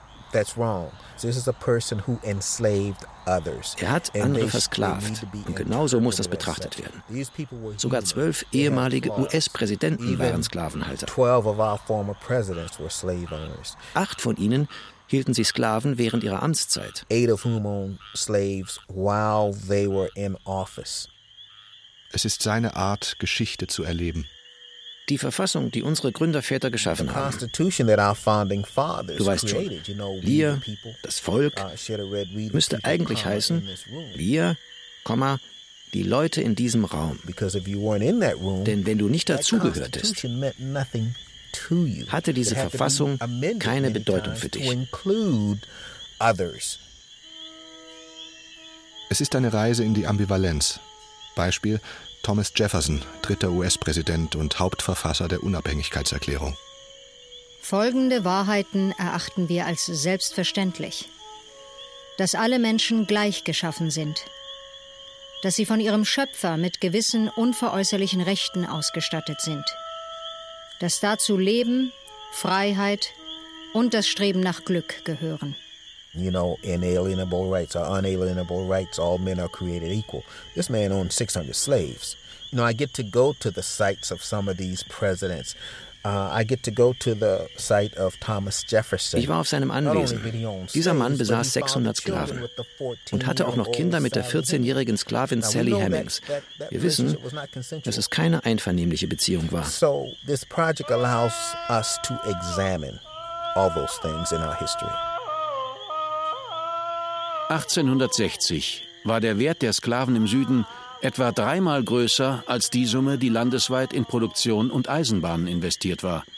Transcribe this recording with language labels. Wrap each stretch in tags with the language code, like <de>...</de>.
<en>That's wrong. This is a person who enslaved others.</en> <de>Er hat andere versklavt. Und genauso muss das betrachtet werden. Sogar 12 ehemalige US-Präsidenten waren Sklavenhalter.</de> <en>12 of our former presidents were slave owners.</en> <de>8 von ihnen hielten sie Sklaven während ihrer Amtszeit.</de> <en>8 of whom owned slaves while they were in office.</en> <de>Es ist seine Art, Geschichte zu erleben. Die Verfassung, die unsere Gründerväter geschaffen haben. Du weißt schon, wir, das Volk, müsste eigentlich heißen, wir, die Leute in diesem Raum. Denn wenn du nicht dazugehörtest, hatte diese Verfassung keine Bedeutung für dich. Es ist eine Reise in die Ambivalenz. Beispiel: Thomas Jefferson, 3. US-Präsident und Hauptverfasser der Unabhängigkeitserklärung. Folgende Wahrheiten erachten wir als selbstverständlich: dass alle Menschen gleich geschaffen sind, dass sie von ihrem Schöpfer mit gewissen unveräußerlichen Rechten ausgestattet sind, dass dazu Leben, Freiheit und das Streben nach Glück gehören.</de> <en>You know, inalienable rights or unalienable rights, all men are created equal. This man owned 600 slaves. You know, I get to go to the sites of some of these presidents. I get to go to the site of Thomas Jefferson.</en> <de>Ich war auf seinem Anwesen. Dieser Mann besaß 600 Sklaven und hatte auch noch Kinder mit der 14-jährigen Sklavin Sally Hemings. Wir wissen, dass es keine einvernehmliche Beziehung war.</de> <en>So, this project allows us to examine all those things in our history.</en> <de>1860 war der Wert der Sklaven im Süden etwa 3-mal größer als die Summe, die landesweit in Produktion und Eisenbahnen investiert war,</de>